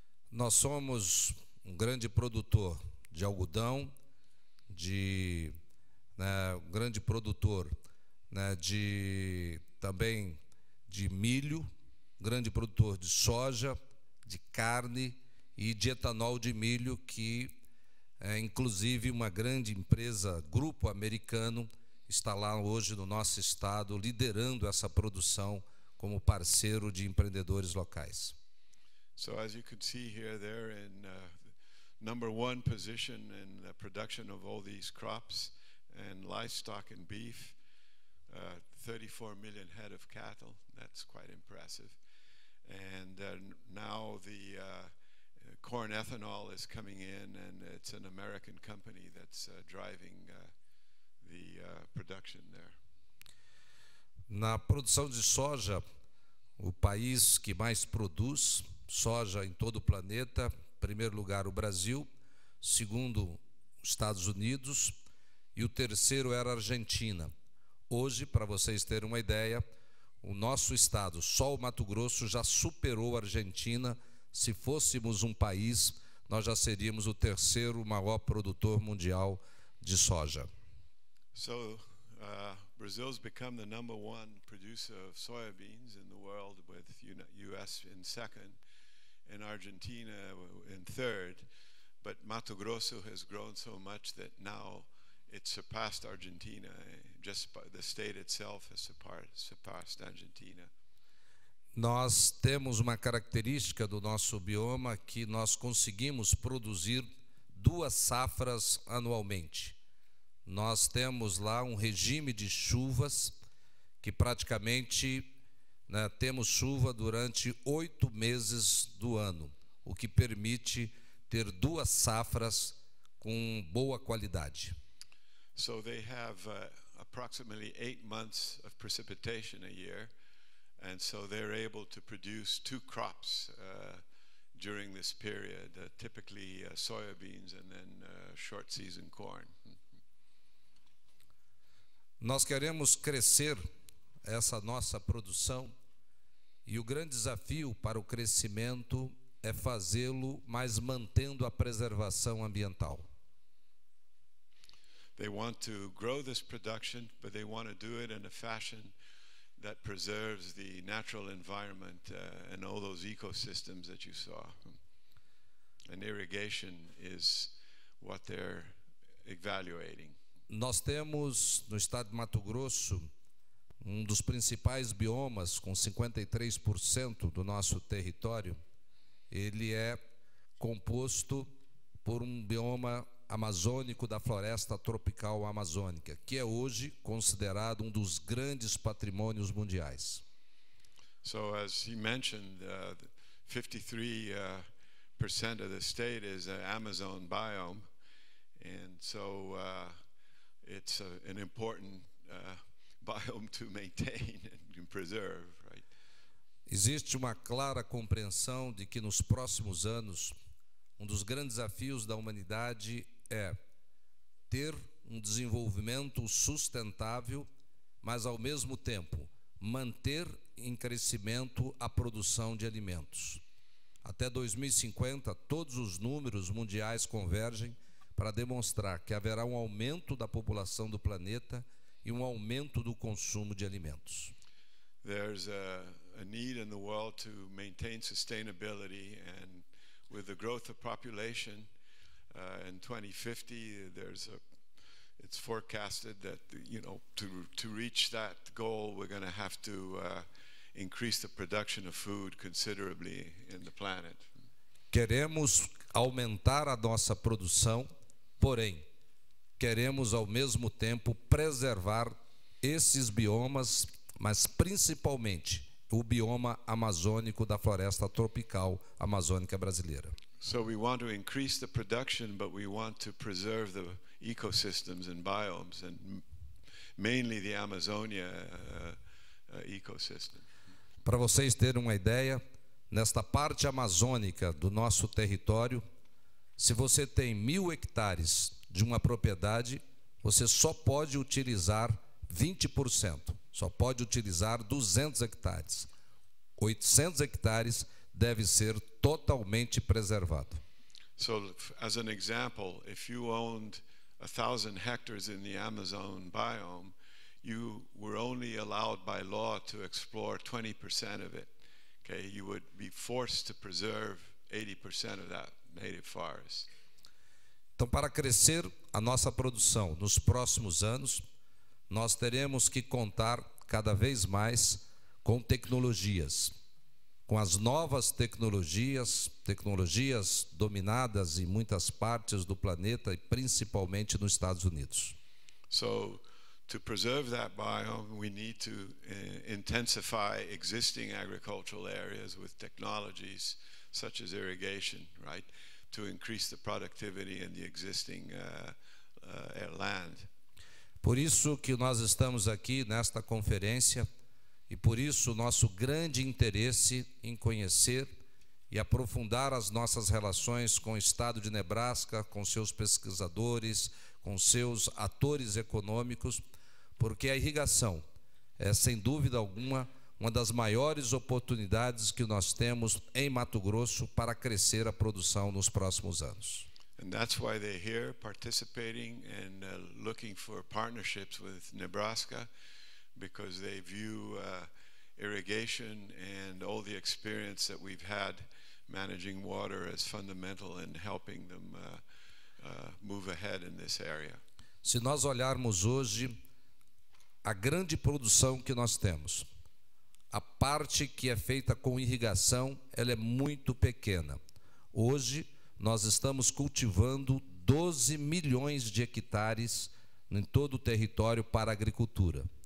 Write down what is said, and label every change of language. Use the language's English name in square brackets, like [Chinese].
[Portuguese] Nós somos um grande produtor de algodão, de grande produtor de também de milho, grande produtor de soja, de carne e de etanol de milho, que é inclusive uma grande empresa, grupo americano, está lá hoje no nosso estado liderando essa produção como parceiro de empreendedores locais. [English] So as you can see here, they're in number one position in the production of all these crops and livestock and beef, 34 million head of cattle, that's quite impressive. And now the corn ethanol is coming in, and it's an American company that's driving the production there. [Portuguese] Na produção de soja, o país que mais produz soja em todo o planeta, primeiro lugar o Brasil, segundo Estados Unidos, e o terceiro era a Argentina. Hoje, para vocês terem uma ideia, o nosso estado, só o Mato Grosso, já superou a Argentina. Se fôssemos um país, nós já seríamos o terceiro maior produtor mundial de soja. [English] So, Brazil's become the number one producer of soybeans in the world, with US in second, in Argentina in third, but Mato Grosso has grown so much that now it surpassed Argentina. Just the state itself has surpassed Argentina. [Portuguese] Nós temos uma característica do nosso bioma, que nós conseguimos produzir duas safras anualmente. Nós temos lá um regime de chuvas que praticamente temos chuva durante 8 meses do ano, o que permite ter duas safras com boa qualidade. [English] So they have approximately 8 months of precipitation a year, and so they're able to produce two crops during this period, typically soybeans and then short season corn. [Portuguese] Nós queremos crescer essa nossa produção, e o grande desafio para o crescimento é fazê-lo, mas mantendo a preservação ambiental. [English] They want to grow this production, but they want to do it in a fashion that preserves the natural environment and all those ecosystems that you saw. And irrigation is what they're evaluating. [Portuguese] Nós temos no estado de Mato Grosso um dos principais biomas, com 53% do nosso território, ele é composto por um bioma amazônico da floresta tropical amazônica, que é hoje considerado um dos grandes patrimônios mundiais. [English] So, as he mentioned, 53% of the state is an Amazon biome, and so it's an important biome to maintain and preserve, right? [Portuguese] Existe uma clara compreensão de que nos próximos anos, um dos grandes desafios da humanidade é ter um desenvolvimento sustentável, mas ao mesmo tempo manter em crescimento a produção de alimentos. Até 2050, todos os números mundiais convergem para demonstrar que haverá um aumento da população do planeta e um aumento do consumo de alimentos. [English] There's a need in the world to maintain sustainability, and with the growth of population in 2050, it's forecasted that, you know, to reach that goal, we're going to have to increase the production of food considerably in the planet. [Portuguese] Queremos aumentar a nossa produção, porém, queremos ao mesmo tempo preservar esses biomas, mas principalmente o bioma amazônico da floresta tropical amazônica brasileira. [English] So we want to increase the production, but we want to preserve the ecosystems and biomes, and mainly the Amazonia ecosystem. [Portuguese] Para vocês terem uma ideia, nesta parte amazônica do nosso território, se você tem 1.000 hectares de uma propriedade, você só pode utilizar 20%, só pode utilizar 200 hectares. 800 hectares deve ser totalmente preservado. [English] So, as an example, if you owned 1,000 hectares in the Amazon biome, you were only allowed by law to explore 20% of it. Okay, you would be forced to preserve 80% of that native forest. [Portuguese] Então, para crescer a nossa produção nos próximos anos, nós teremos que contar cada vez mais com tecnologias, com as novas tecnologias, tecnologias dominadas em muitas partes do planeta e principalmente nos Estados Unidos. [English] So, to preserve that biome, we need to intensify existing agricultural areas with technologies such as irrigation, right? To increase the productivity in the existing land. [Portuguese] Por isso que nós estamos aqui nesta conferência, e por isso nosso grande interesse em conhecer e aprofundar as nossas relações com o estado de Nebraska, com seus pesquisadores, com seus atores econômicos, porque a irrigação é, sem dúvida alguma, uma das maiores oportunidades que nós temos em Mato Grosso para crescer a produção nos próximos anos. [English] And that's why they're here participating and looking for partnerships with Nebraska, because they view irrigation and all the experience that we've had managing water as fundamental in helping them move ahead in this area. [Portuguese] Se nós olharmos hoje a grande produção que nós temos, a parte que é feita com irrigação, ela é muito pequena. Hoje nós estamos cultivando 12 milhões de hectares em todo o território para agricultura.